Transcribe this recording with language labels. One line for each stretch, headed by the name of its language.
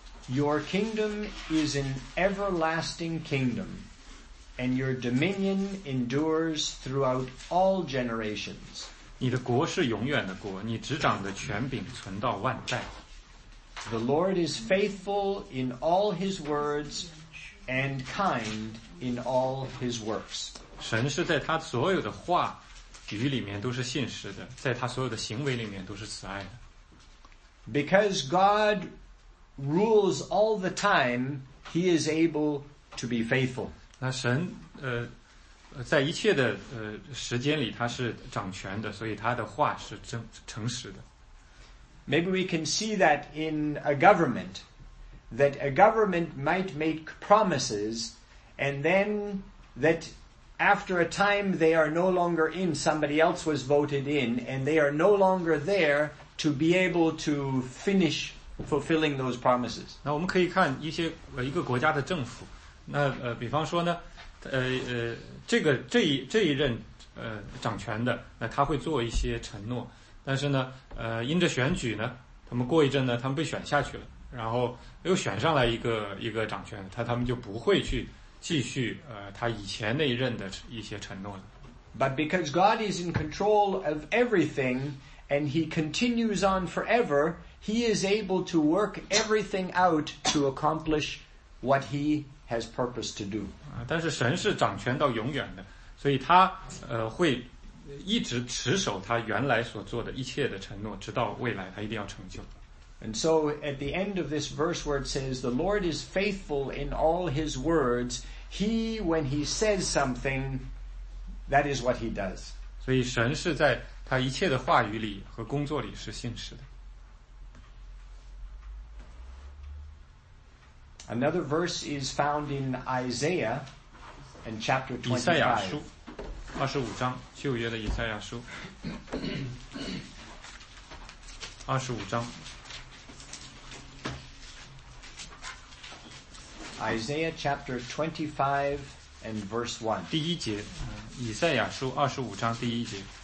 English: Your kingdom is an everlasting kingdom, and your dominion endures throughout all generations.
Chinese: 你的国是永远的国，你执掌的权柄存到万代。
English: The Lord is faithful in all his words and kind in all his works.
Chinese: 神是在他所有的话语里面都是信实的，在他所有的行为里面都是慈爱的。
English: Because God rules all the time, he is able to be faithful.
Chinese: 那神在一切的时间里他是掌权的，所以他的话是诚实的。
English: Maybe we can see that in a government, that a government might make promises, and then that after a time they are no longer in, somebody else was voted in, and they are no longer there to be able to finish fulfilling those promises.
Chinese: 那我们可以看一个国家的政府，那比方说呢，这一任掌权的，那他会做一些承诺。但是呢，因着选举呢，他们过一阵呢，他们被选下去了，然后又选上来一个掌权，他们就不会去继续他以前那一任的一些承诺了。
English: But because God is in control of everything and He continues on forever, He is able to work everything out to accomplish what He has purpose to do.
Chinese: 但是神是掌权到永远的，所以他会一直持守他原来所做的一切的承诺，直到未来他一定要成就。
English: And so at the end of this verse where it says, the Lord is faithful in all his words, he, when he says something, that is what he does.
Chinese: 所以神是在他一切的话语里和工作里是信实的。
English: Another verse is found in Isaiah and chapter 25.
Chinese: 以赛亚书25章，旧约的以赛亚书。 25章。
English: Isaiah chapter 25 and verse 1.
Chinese: 第一节，以赛亚书25章第一节。